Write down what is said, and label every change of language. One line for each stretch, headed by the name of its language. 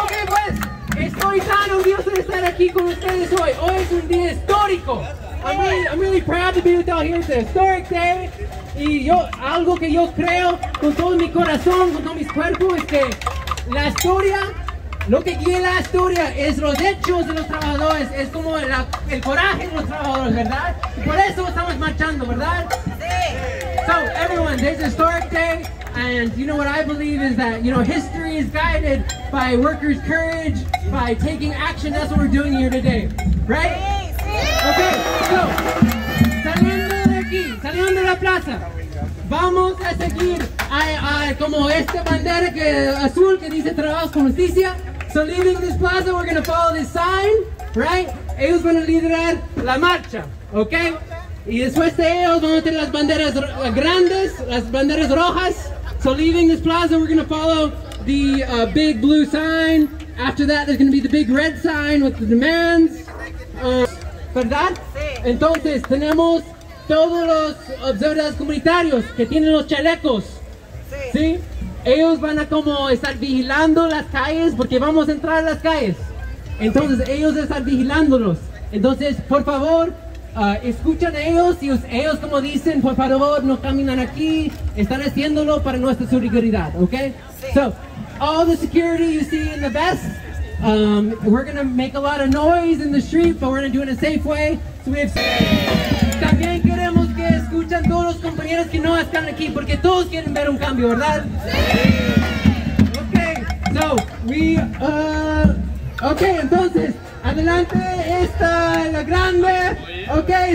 Spanish: Ok, pues, estoy tan orgulloso de estar aquí con ustedes hoy. Hoy es un día histórico.
English: I'm really proud to be with y'all here. It's a historic day.
Spanish: Y yo, algo que yo creo con todo mi corazón, con todo mi cuerpo, es que la historia, lo que guía la historia es los hechos de los trabajadores, es como el coraje de los trabajadores, ¿verdad? Y por eso estamos marchando, ¿verdad? Sí.
English: So, everyone, this is a historic day, and you know what I believe is that, you know, history is guided by workers' courage, by taking action, that's what we're doing here today, right?
Spanish: Sí, sí. Okay, so, saliendo de aquí, saliendo de la plaza, vamos a seguir como esta bandera que, azul que dice Trabajos con Justicia.
English: So leaving this plaza, we're going to follow this sign, right?
Spanish: Ellos van a liderar la marcha, okay? Y después de ellos van a tener las banderas grandes, las banderas rojas.
English: So leaving this plaza, we're going to follow the big blue sign. After that, there's going to be the big red sign with the demands.
Spanish: ¿Verdad? Entonces, tenemos todos los observadores comunitarios que tienen los chalecos, sí. ¿Sí? Ellos van a como estar vigilando las calles porque vamos a entrar a las calles. Entonces ellos están vigilándolos. Entonces, por favor, escuchan a ellos y ellos como dicen, por favor, no caminan aquí. Están haciéndolo para nuestra seguridad, ¿ok? Sí.
English: So, all the security you see in the vest. We're gonna make a lot of noise in the street, but we're gonna do it in a safe way. So we have.
Spanish: También queremos que escuchen todos los compañeros que no están aquí, porque todos quieren ver un cambio, ¿verdad? Sí.
English: Okay. So we. Okay.
Spanish: Entonces, adelante está la grande. Okay.